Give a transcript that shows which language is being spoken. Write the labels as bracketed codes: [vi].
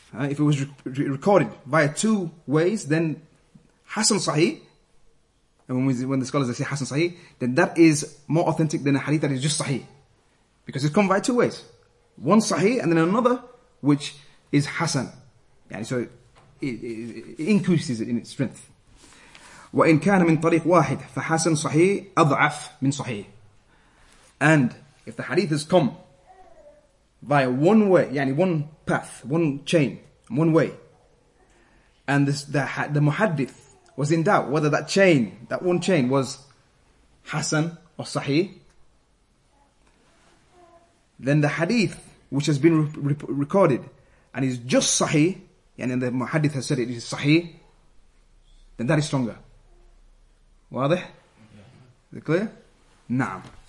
[en] If it was recorded via two ways, then حسن صحيح. And when the scholars say حسن صحيح, then that is more authentic than a hadith that is just صحيح, because it's come via two ways, one صحيح and then another which is حسن. Yeah, so it increases in its strength. [ar] وإن كان من طريق واحد فحسن صحيح أضعف من صحيح. [en] And if the hadith has come via one way, yani one path, one chain, one way, and the muhaddith was in doubt whether that chain, that one chain, was hasan or sahih, then the hadith which has been recorded and is just sahih, yani, and the muhaddith has said it is sahih, then that is stronger. Wadih? Is it clear? Naam.